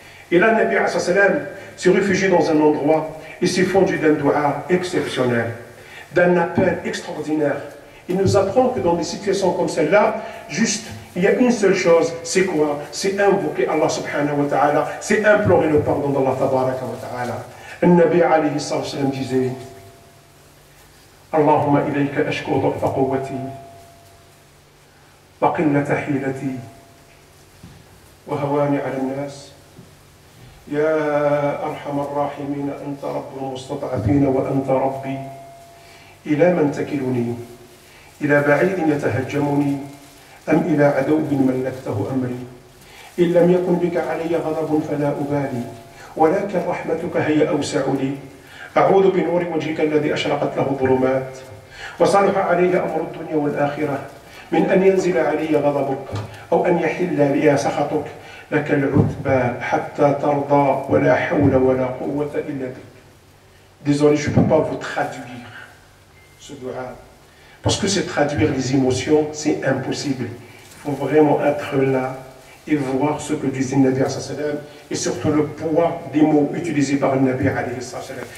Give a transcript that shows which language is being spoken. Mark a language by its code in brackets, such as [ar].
[fr] Et là, le Nabi alayhi salatu wasalam s'est réfugié dans un endroit et s'est fondu d'un doua exceptionnel, d'un appel extraordinaire. Il nous apprend que dans des situations comme celle-là, juste Il y a une seule chose, c'est quoi? C'est invoquer Allah subhanahu wa ta'ala, c'est implorer le pardon d'Allah tabaraka wa ta'ala. Le Nabi alayhi sallam disait [ar] Allahumma ilayka ashku dhu'fa quwwati wa qillata hilati wa hawani 'ala an-nas يا أرحم الراحمين أنت رب المستضعفين وأنت ربي إلى من تكلني إلى بعيد يتهجمني أم إلى عدو ملكته أمري إن لم يكن بك علي غضب فلا أبالي ولكن رحمتك هي أوسع لي أعوذ بنور وجهك الذي أشرقت له الظلمات وصلح علي أمر الدنيا والآخرة من أن ينزل علي غضبك أو أن يحل لي سخطك لك العتبى حتى ترضى ولا حول ولا قوة إلا بك. [fr] Désolé, je ne peux pas vous traduire ce dua. Parce que c'est traduire les émotions, c'est impossible. Il faut vraiment être là et voir ce que disait le Nabi alayhi sallam et surtout le poids des mots utilisés par le Nabi alayhi sallam.